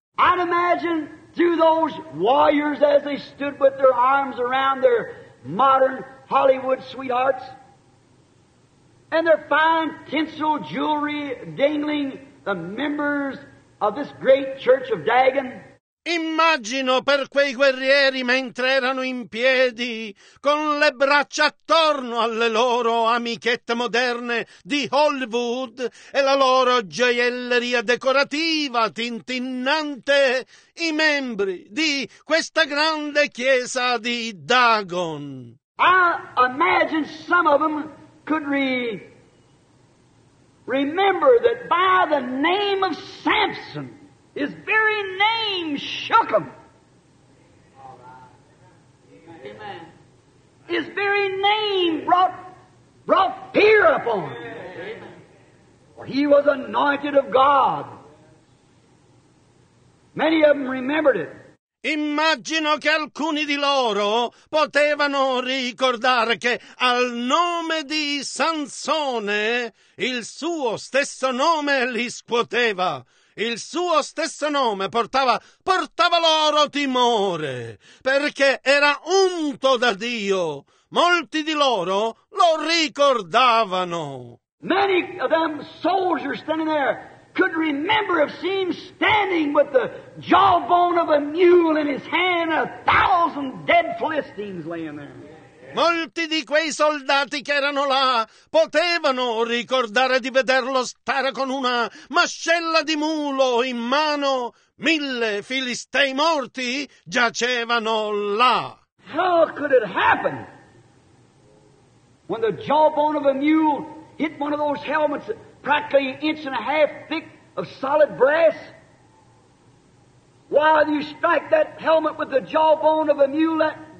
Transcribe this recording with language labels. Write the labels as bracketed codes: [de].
[en] I'd imagine through those warriors as they stood with their arms around their modern Hollywood sweethearts and their fine tinsel jewelry dangling the members of this great church of Dagon. [it] Immagino per quei guerrieri mentre erano in piedi con le braccia attorno alle loro amichette moderne di Hollywood e la loro gioielleria decorativa tintinnante i membri di questa grande chiesa di Dagon. [en] I imagine some of them could remember that by the name of Samson, His very name shook them. Amen. His very name brought fear upon them. For he was anointed of God. Many of them remembered it. [it] Immagino che alcuni di loro potevano ricordare che al nome di Sansone il suo stesso nome li scuoteva. Il suo stesso nome portava loro timore, perché era unto da Dio. Molti di loro lo ricordavano. [en] Many of them soldiers standing there could remember of seeing standing with the jawbone of a mule in his hand a thousand dead Philistines laying there. [it] Molti di quei soldati che erano là potevano ricordare di vederlo stare con una mascella di mulo in mano. 1000 Filistei morti giacevano là. [en] How could it happen when the jawbone of a mule hit one of those helmets practically an inch and a half thick of solid brass? Why do you strike that helmet with the jawbone of a mule?